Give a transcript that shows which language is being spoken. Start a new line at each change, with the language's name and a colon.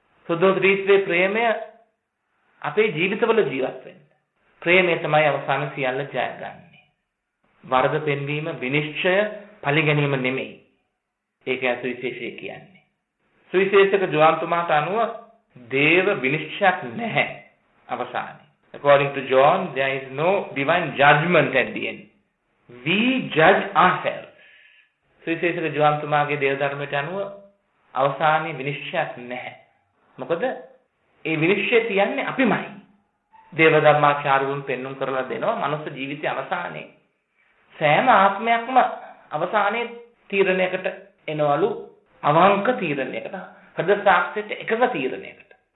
Sinhala: සුද්ධෝත්‍රිත්වයේ ප්‍රේමය අපේ ජීවිතවල ජීවත් වෙන්න. ප්‍රේමය තමයි අවසාන සියල්ල ජයගන්නේ. වරද පෙන්වීම විනිශ්චය පිළිගැනීම නෙමෙයි. ඒක ඇසු විශේෂය කියන්නේ. සුවිශේෂක ජෝන්තුමාට අනුව දේව විනිශ්චයක් නැහැ අවසානයේ.
English: According to John, there is no divine judgment at the end. We judge ourselves.
Sinhala: සුවිශේෂක ජෝහන්තුමාගේ දේව ධර්මයට අනුව අවසානයේ විනිශ්චයක් නැහැ. මොකද ඒ විනිශ්චය තියන්නේ අපිමයි. දේව ධර්මාචාර්යවරුන් පෙන්නුම් කරලා දෙනවා මනුස්ස ජීවිතයේ අවසානයේ සෑම ආත්මයක්ම අවසානයේ තීරණයකට එනවලු අවංක තීරණයකට, හද සාක්ෂියට එකක තීරණයකට.